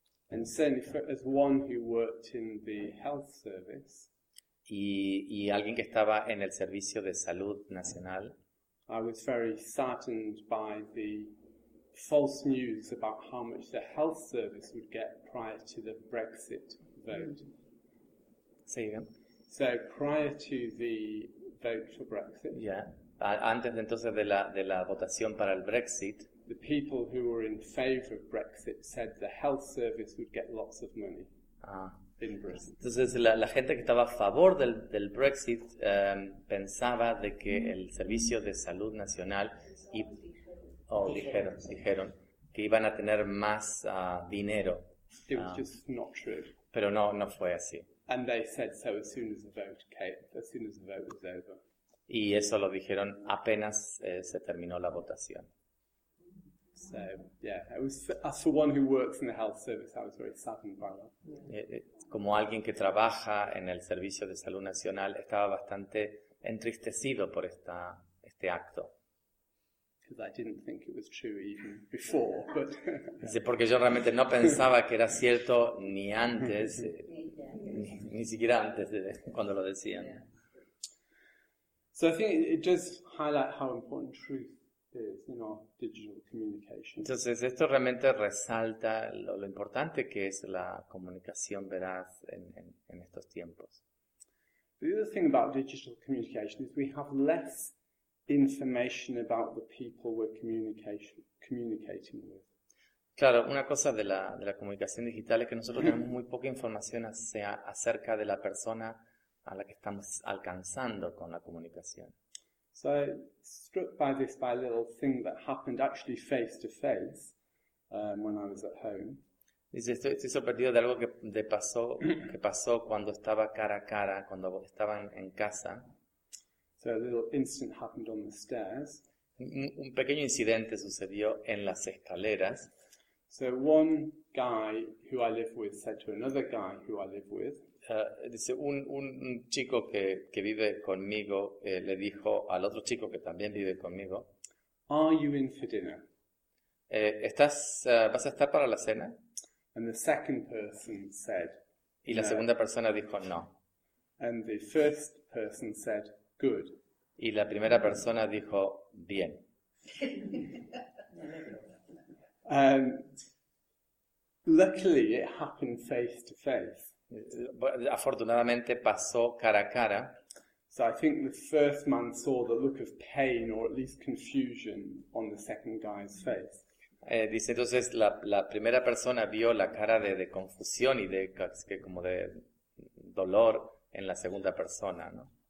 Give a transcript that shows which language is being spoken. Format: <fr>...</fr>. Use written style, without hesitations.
<en>And certainly, as one who worked in the health service,</en> <es>y alguien que estaba en el servicio de salud nacional,</es> <en>I was very saddened by the false news about how much the health service would get prior to the Brexit vote. Say again. So prior to the vote for Brexit. Yeah.</en> <es>Antes entonces de la votación para el Brexit.</es> <en>The people who were in favor of Brexit said the health service would get lots of money. In Britain.</en> <es>Entonces la gente que estaba a favor del Brexit pensaba de que el servicio de salud nacional y dijeron que iban a tener más dinero.</es> <en>It was just not true.</en> <es>Pero no fue así.</es> <en>And they said so as soon as the vote came, as soon as the vote was over.</en> <es>Y eso lo dijeron apenas se terminó la votación.</es> <en>So yeah, it was as for one who works in the health service, I was very saddened by that.</en> <es>Como alguien que trabaja en el servicio de salud nacional, estaba bastante entristecido por este acto.</es> <en>I didn't think it was true even before, but</en> <es>sí, porque yo realmente no pensaba que era cierto ni antes, ni siquiera antes de cuando lo decían.</es> <en>So I think it does highlight how important truth is in our digital communication.</en> <es>Entonces esto realmente resalta lo importante que es la comunicación veraz en estos tiempos.</es> <en>The other thing about digital communication is we have less information about the people we're communicating with.</en> <es>Claro, una cosa de la comunicación digital es que nosotros tenemos muy poca información acerca de la persona a la que estamos alcanzando con la comunicación.</es> <en>So I struck by this by a little thing that happened actually face to face when I was at home.</en> <es>Dice, estoy sorprendido de algo que pasó cuando estaba cara a cara, cuando estaba en casa.</es> <en>So a little incident happened on the stairs.</en> <es>Un pequeño incidente sucedió en las escaleras.</es> <en>So one guy who I live with said to another guy who I live with.</en> <es>Dice un chico que vive conmigo le dijo al otro chico que también vive conmigo.</es> <en>Are you in for dinner?</en> <es>¿Vas a estar para la cena?</es> <en>And the second person said.</en> <es>Y la segunda persona dijo no.</es> <en>And the first person said. Good.</en> <es>Y la primera persona dijo bien.</es> <en>Luckily, it happened face to face.</en> <es>Afortunadamente pasó cara a cara.</es> <en>So I think the first man saw the look of pain or at least confusion on the second guy's face.</en> <es>Dice entonces la primera persona vio la cara de confusión y de como de dolor en la segunda persona, ¿no?</es>